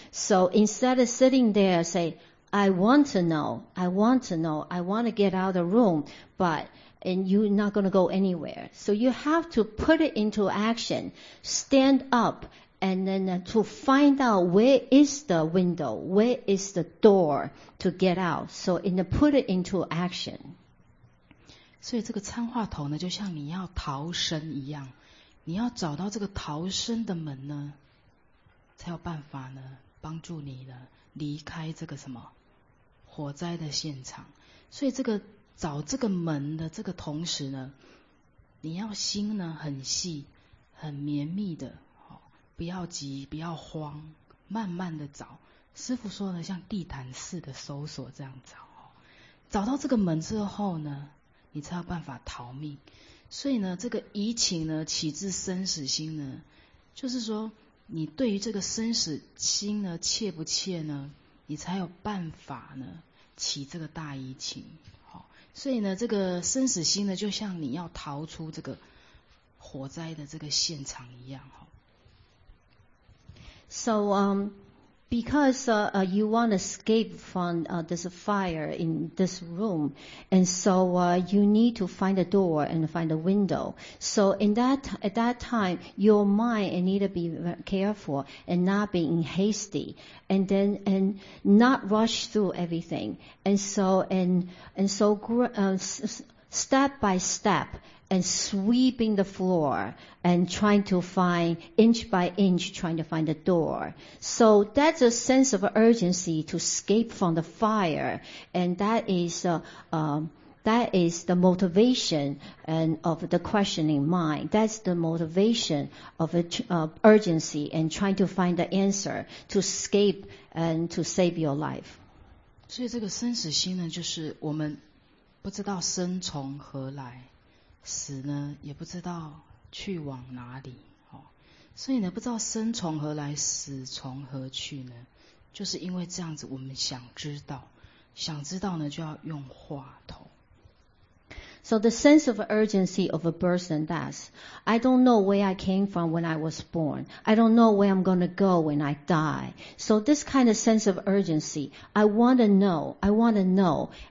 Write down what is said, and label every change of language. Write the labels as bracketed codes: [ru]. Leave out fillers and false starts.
[en] So instead of sitting there, say, I want to know, I want to know, I want to get out of the room, but, and you're not going to go anywhere. So you have to put it into action, stand up, and then to find out where is the window, where is the door to get out. So in the put it into action. [zh] 所以这个参话头呢，就像你要逃生一样，你要找到这个逃生的门呢，才有办法呢帮助你呢离开这个什么火灾的现场。所以这个找这个门的这个同时呢，你要心呢很细很绵密的，不要急，不要慌，慢慢的找。师父说呢，像地毯式的搜索这样找，找到这个门之后呢，你才有办法逃命。所以呢，这个移情呢，起自生死心呢，就是说你对于这个生死心呢，切不切呢，你才有办法呢起这个大移情。所以呢，这个生死心呢，就像你要逃出这个火灾的这个现场一样。 [en] So, because, you want to escape from, this fire in this room. And so, you need to find a door and find a window. So at that time, your mind need to be careful and not being hasty. And then, and not rush through everything. Step by step, and sweeping the floor and trying to find inch by inch, trying to find the door. So that's a sense of urgency to escape from the fire. And that is the motivation and of the questioning mind. That's the motivation of urgency and trying to find the answer to escape and to save your life. [zh] 所以这个生死心呢，就是我们不知道生从何来，死呢也不知道去往哪里，所以呢不知道生从何来，死从何去呢，就是因为这样子我们想知道，想知道呢就要用话头。 [en] So the sense of urgency of a birth and death, I don't know where I came from when I was born, I don't know where I'm going to go when I die. So this kind of sense of urgency, I want to know, I want to know.